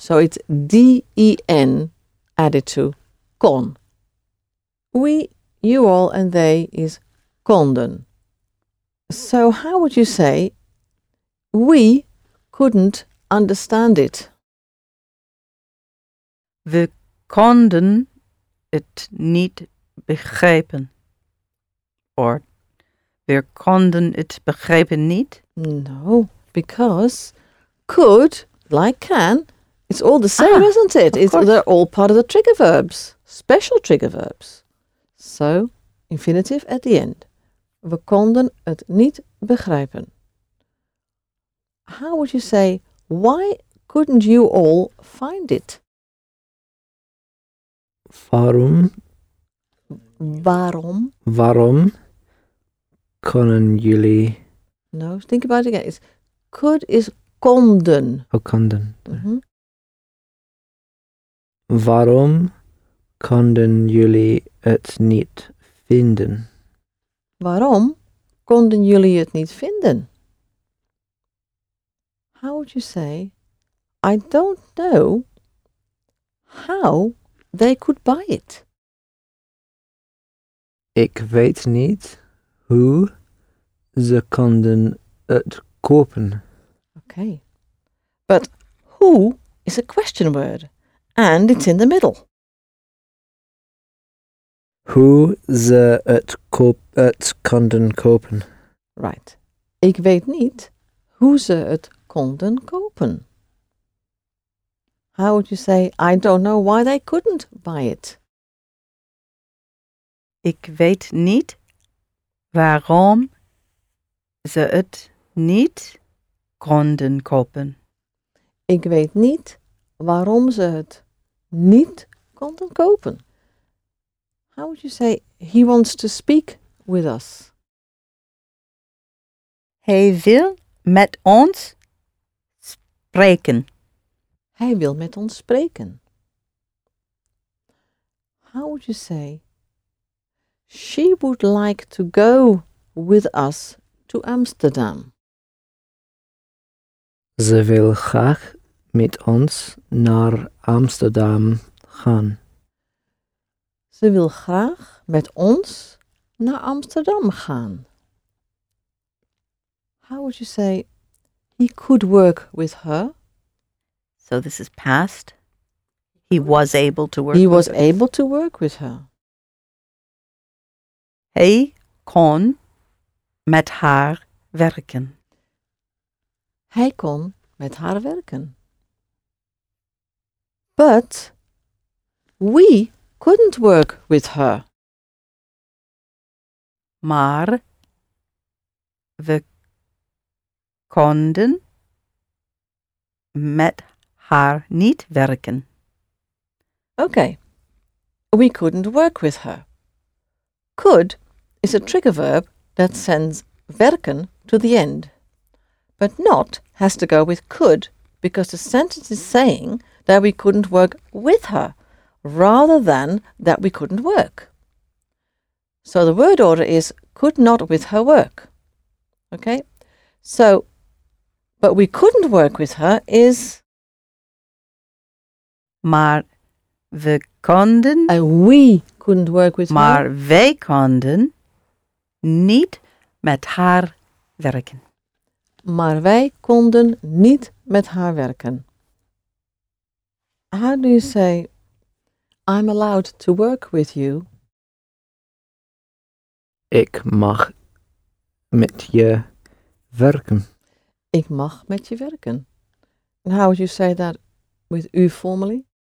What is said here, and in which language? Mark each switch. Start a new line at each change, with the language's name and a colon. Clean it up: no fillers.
English: So it's D-E-N added to con. We, you all, and they is konden. So how would you say we couldn't understand it?
Dutch: We konden het niet begrijpen.
English: Or
Dutch: we konden het begrijpen niet?
English: No, because could, like can, it's all the same, isn't it? They're all part of the trigger verbs, special trigger verbs. So, infinitive at the end.
Dutch: We konden het niet begrijpen.
English: How would you say, why couldn't you all find it?
Dutch: Waarom? Konden jullie?
English: No, think about it again. Could is konden. Oh, konden. Mm-hmm.
Dutch: Waarom konden jullie het niet vinden? Waarom konden jullie het niet vinden?
English: How would you say, I don't know how they could buy it?
Dutch: Ik weet niet hoe ze konden het kopen.
English: Okay. But who is a question word, and it's in the middle.
Dutch: Hoe ze het konden kopen.
English: Right.
Dutch: Ik weet niet hoe ze het konden kopen.
English: How would you say, I don't know why they couldn't buy it?
Dutch: Ik weet niet waarom ze het niet konden kopen. Ik weet niet waarom ze het niet konden kopen.
English: How would you say, he wants to speak with us?
Dutch: Hij wil met ons spreken. Hij wil met ons spreken.
English: How would you say, she would like to go with us to Amsterdam?
Dutch: Ze wil graag met ons naar Amsterdam gaan. Ze wil graag met ons naar Amsterdam gaan.
English: How would you say, he could work with her? So this is past. He was able to work he with was her. Able to work with her.
Dutch: Hij kon met haar werken. Hij kon met haar werken.
English: But we couldn't work with her.
Dutch: Maar we konden met haar niet werken.
English: Okay. We couldn't work with her. Could is a trigger verb that sends werken to the end. But not has to go with could, because the sentence is saying that we couldn't work with her, rather than that we couldn't work. So the word order is could not with her work. Okay? So, but we couldn't work with her is...
Dutch: Maar we konden...
English: We couldn't work with
Dutch: maar
English: her.
Dutch: Maar wij konden... Niet met haar werken. Maar wij konden niet met haar werken.
English: How do you say, I'm allowed to work with you?
Dutch: Ik mag met je werken. Ik mag met je werken.
English: And how would you say that with u formally?